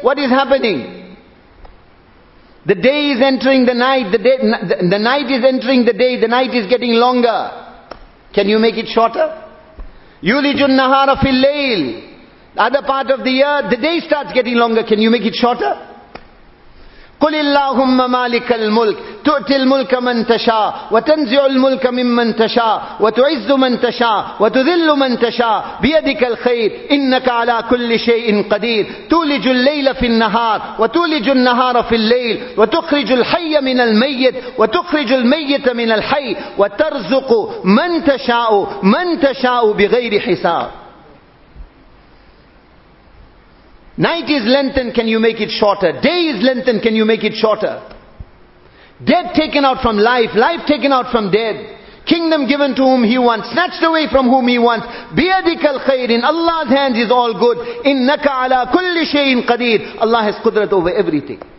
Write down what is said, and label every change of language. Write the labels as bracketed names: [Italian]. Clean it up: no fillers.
[English] What is happening? The day is entering the night. The night is entering the day. The night is getting longer. Can you make it shorter? [Arabic] يُولِجُ النَّهَارَ فِي اللَّيْلِ [English] Other part of the year, the day starts getting longer. Can you make it shorter? [Arabic] قُلِ اللَّهُمَّ مَالِكَ الْمُلْكِ تُؤْتِي الْمُلْكَ مَنْ تَشَاءُ وَتَنْزِعُ الْمُلْكَ مِمَّنْ تَشَاءُ وَتُعِزُّ مَنْ تَشَاءُ وَتُذِلُّ مَنْ تَشَاءُ بِيَدِكَ الْخَيْرُ إِنَّكَ عَلَى كُلِّ شَيْءٍ قَدِيرٌ تُولِجُ اللَّيْلَ فِي النَّهَارِ وَتُولِجُ النَّهَارَ فِي اللَّيْلِ وَتُخْرِجُ الْحَيَّ مِنَ الْمَيِّتِ وَتُخْرِجُ الْمَيِّتَ مِنَ الْحَيِّ وَتَرْزُقُ مَنْ تَشَاءُ بِغَيْرِ [English] Night is lengthened, can you make it shorter? Day is lengthened, can you make it shorter? Death taken out from life, life taken out from death. Kingdom given to whom he wants, snatched away from whom he wants. [Arabic] بِيَدِكَ الْخَيْرِ [English] In Allah's hands is all good. [Arabic] إِنَّكَ عَلَى كُلِّ شَيْءٍ قَدِيرٍ [English] Allah has qudrat over everything.